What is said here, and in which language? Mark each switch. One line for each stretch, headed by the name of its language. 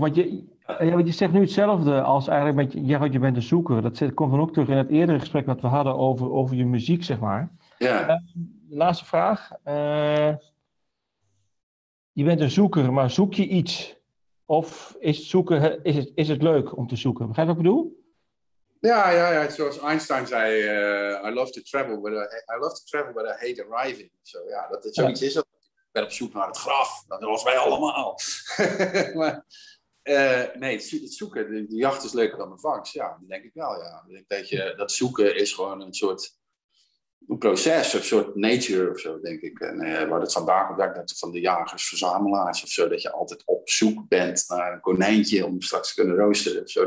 Dutch: Want je zegt nu hetzelfde als eigenlijk met jij, wat je bent een zoeker. Dat komt dan ook terug in het eerdere gesprek wat we hadden over je muziek, zeg maar. Ja. Laatste vraag. Je bent een zoeker, maar zoek je iets? Of is het leuk om te zoeken? Begrijp je wat ik bedoel? Ja, zoals Einstein zei,
English: I love to travel, but I hate arriving.
Dutch: So, ja, dat is zoiets, ja. Is dat. Ik ben op zoek naar het graf, dat was wij allemaal. het zoeken, de jacht is leuker dan mijn vangst, ja, dat denk ik wel, ja. Ik denk dat je, dat zoeken is gewoon een soort een proces, een soort nature of zo, denk ik. En waar het vandaan komt, dat het van de jagers, verzamelaars of zo, dat je altijd op zoek bent naar een konijntje om straks te kunnen roosteren of zo.